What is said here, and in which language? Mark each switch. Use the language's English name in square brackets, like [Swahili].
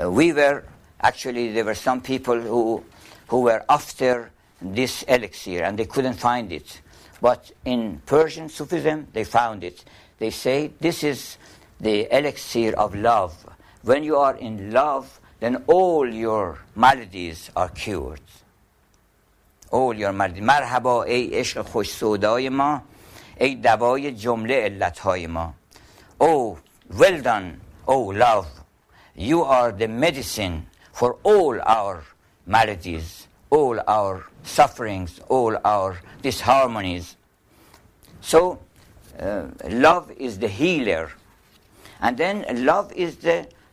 [English] There were some people who were after this elixir and they couldn't find it. But in Persian Sufism, they found it. They say this is the elixir of love. When you are in love, then all your maladies are cured. All your maladies. [Persian] مرحبا ای عشق خوش سودای ما ای دوای جمله علتهای ما. [English] Oh, well done, oh love. You are the medicine for all our maladies, all our sufferings, all our disharmonies. So, love is the healer. And then love is the...